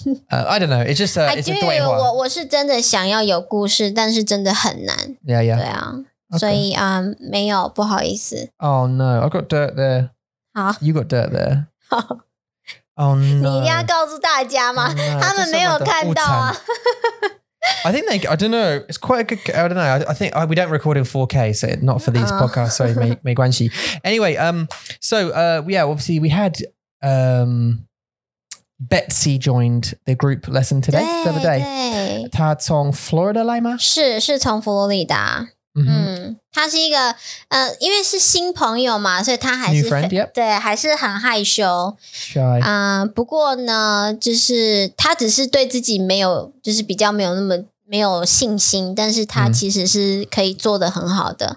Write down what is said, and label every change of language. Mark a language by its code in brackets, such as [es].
[en] I don't know, it's just a, it's a 对话。 [zh] 我是真的想要有故事,但是真的很难。 [en] Yeah, yeah. [zh] 对啊。所以没有,不好意思。 [en] Oh no, I've got dirt there. [zh] 好。 [en] You got dirt there. [zh] 好。 [en] Oh no. [zh] 你一定要告诉大家吗?他们没有看到啊。 [en] I think they, I don't know, it's quite a good, I don't know, I think we don't record in 4K, so not for these podcasts, sorry, [zh] 没关系. [en] Anyway, yeah, obviously we had Betsy joined the group lesson today, the other day. [zh] 她从 Florida 来吗? 是从佛罗里达。他是一个因为是新朋友嘛，所以他还是 [en] New friend, yep. [zh] 对，还是很害羞。 [en] Shy. [zh] 不过呢，就是他只是对自己没有，就是比较没有那么没有信心，但是他其实是可以做得很好的。